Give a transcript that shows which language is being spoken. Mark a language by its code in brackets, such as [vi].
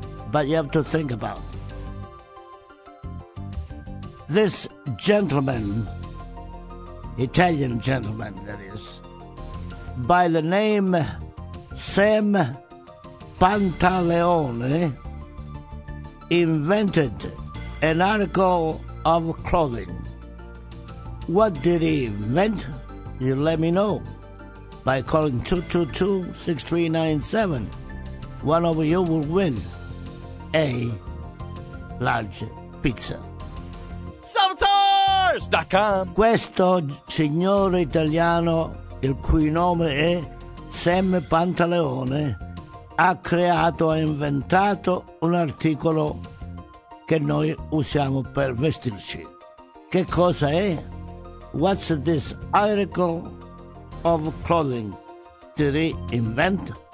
[en] But you have to think about this gentleman, Italian gentleman, that is, by the name Sam Pantaleone, invented an article of clothing. What did he invent? You let me know by calling 222-6397. One of you will win a large pizza. Salvatore.com. [it] Questo signore italiano, il cui nome è Sam Pantaleone, ha creato, ha inventato un articolo che noi usiamo per vestirci. Che cosa è? [en] What's this article of clothing did he invent?